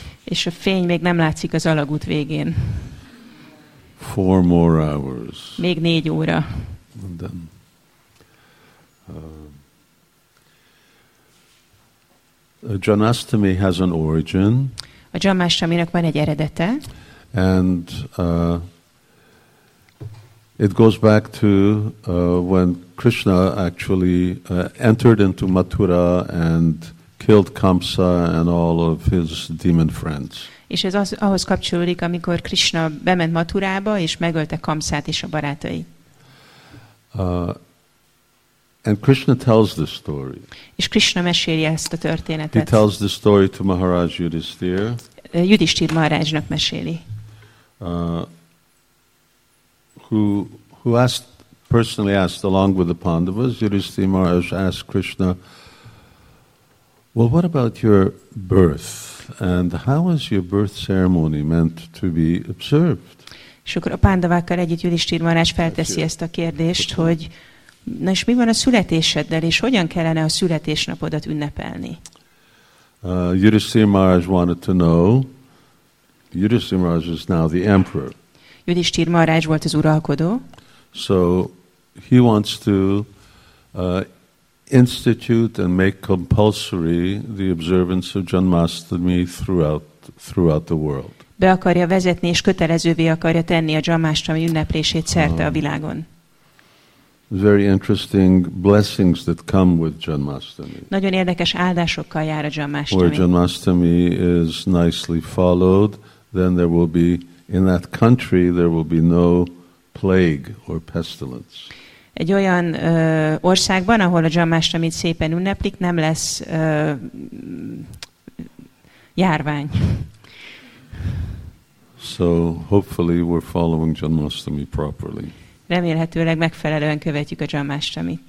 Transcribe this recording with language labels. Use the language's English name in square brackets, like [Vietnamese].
[Hungarian] És a fény még nem látszik az alagút végén. [English] 4 more hours. [Hungarian] Még 4 óra. [English] And then, Janmashtami has an origin. [Hungarian] A Janmashtaminak van egy eredete. [English] And it goes back to when Krishna actually entered into Mathura and killed Kamsa and all of his demon friends. [Hungarian] És ez az, ahhoz kapcsolódik, amikor Krishna bement Mathurába és megölte Kamsát és a barátai. [English] And Krishna tells this story. [Hungarian] És Krishna meséli ezt a történetet. [English] He tells the story to Maharaj Yudhisthira. [Hungarian] Yudhisthira Maharajnak meséli. [English] Who asked personally asked along with the Pandavas, Yudhisthira Maharaj asked Krishna, "Well, what about your birth? And how was your birth ceremony meant to be observed?" [Hungarian] És akkor a Pandavákkal együtt Yudhisthira Maharaj felteszi ezt a kérdést, hogy na és mi van a születéseddel, és hogyan kellene a születésnapodat ünnepelni? [English] Yudhisthira Maharaj wanted to know. Yudhisthira Maharaj is now the emperor. [Hungarian] Yudhisthira Maharaj volt az uralkodó. [English] So he wants to institute and make compulsory the observance of Janmashtami throughout the world. [Hungarian] Be akarja vezetni és kötelezővé akarja tenni a Janmashtami ünneplését szerte a világon. [English] Very interesting blessings that come with Janmashtami. [Hungarian] Nagyon érdekes áldásokkal jár a Janmashtami. [English] Where Janmashtami is nicely followed, then there will be in that country there will be no plague or pestilence. [Hungarian] Egy olyan országban, ahol a Janmashtami szépen ünneplik, nem lesz járvány. [English] So hopefully we're following Janmashtami properly. [Hungarian] Remélhetőleg megfelelően követjük a Janmashtamit.